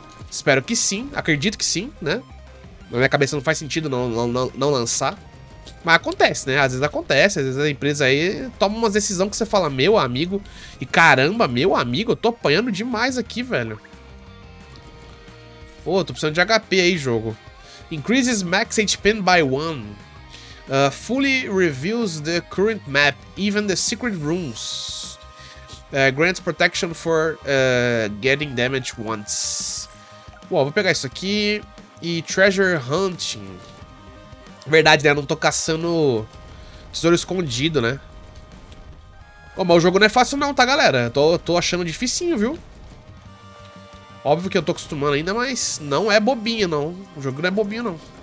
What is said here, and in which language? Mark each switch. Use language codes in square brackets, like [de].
[pt] Espero que sim, acredito que sim, né? Na minha cabeça não faz sentido não lançar. Mas acontece, né? Às vezes acontece, às vezes a empresa aí toma umas decisões que você fala, meu amigo, e caramba, meu amigo, eu tô apanhando demais aqui, velho. Pô, tô precisando de HP aí, jogo. [en] Increases max HP by 1. Fully reveals the current map, even the secret rooms. Grants protection for getting damage once. [pt] Uau, vou pegar isso aqui. E treasure hunting. Verdade, né? Eu não tô caçando tesouro escondido, né? Pô, mas o jogo não é fácil não, tá, galera? Tô achando dificinho, viu? Óbvio que eu tô acostumando ainda, mas não é bobinho, não. O jogo não é bobinho, não.